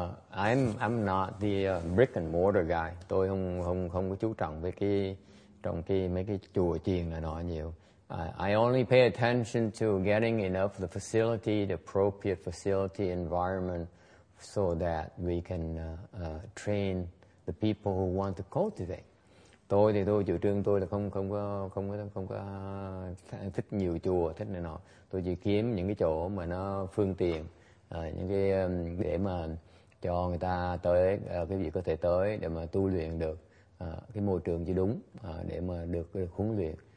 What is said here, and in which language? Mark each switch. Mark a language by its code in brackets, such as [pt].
[en] I'm not the brick and mortar guy. [vi] Tôi không có chú trọng về cái trong cái mấy cái chùa chiền là nọ nhiều. [en] I only pay attention to getting enough the facility, the appropriate facility environment so that we can train the people who want to cultivate. [vi] Tôi thì tôi chủ trương tôi là không có thích nhiều chùa thích này nọ. Tôi chỉ kiếm những cái chỗ mà nó phương tiện, những cái để mà cho người ta tới, cái gì có thể tới để mà tu luyện được, cái môi trường chỉ đúng để mà được huấn luyện